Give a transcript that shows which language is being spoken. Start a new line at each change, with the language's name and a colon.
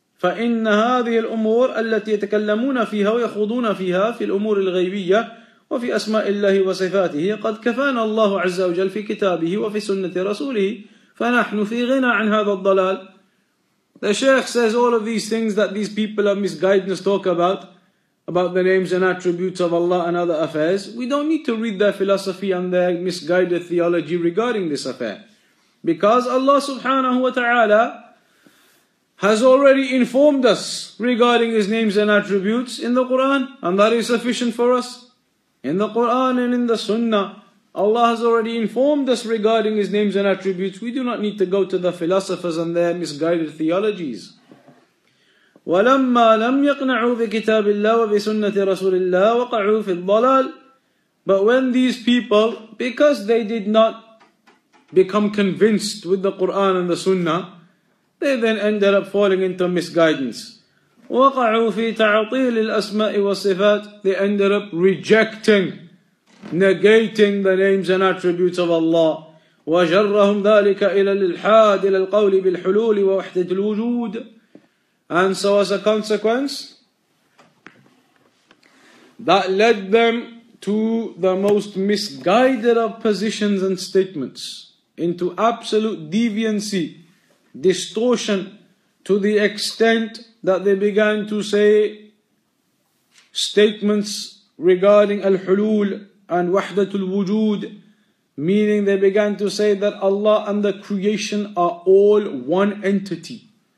Arabic: فَإِنَّ هَذِهِ الْأُمُورَ الَّتِي يَتَكَلَّمُونَ فِيهَا وَيَخُضُونَ فِيهَا فِي الْأُمُورِ الْغَيْبِيَّةِ وفي أسماء الله وصفاته قد كفانا الله عز وجل في كتابه وفي سنة رسوله فنحن في غنى عن هذا الضلال.
English: The Shaykh says all of these things that these people of misguidance talk about the names and attributes of Allah and other affairs, we don't need to read their philosophy and their misguided theology regarding this affair, because Allah subhanahu wa ta'ala has already informed us regarding his names and attributes in the Quran, and that is sufficient for us. In the Quran and in the Sunnah, Allah has already informed us regarding His names and attributes. We do not need to go to the philosophers and their misguided theologies.
Arabic: وَلَمَّا لَمْ يَقْنَعُوا بِكِتَابِ اللَّهِ وَبِسُنَّةِ رَسُولِ اللَّهِ وَقَعُوا فِي الضَّلَالِ.
English: But when these people, because they did not become convinced with the Quran and the Sunnah, they then ended up falling into misguidance.
Arabic: وقعوا في تعطيل الأسماء والصفات.
English: They ended up rejecting, negating the names and attributes of Allah.
Arabic: وجرهم ذلك إلى الإلحاد إلى القول بالحلول ووحدة الوجود.
English: And so as a consequence, that led them to the most misguided of positions and statements, into absolute deviancy, distortion, to the extent that they began to say statements regarding al-hulul and wahdatul wujud, meaning they began to say that Allah and the creation are all one entity.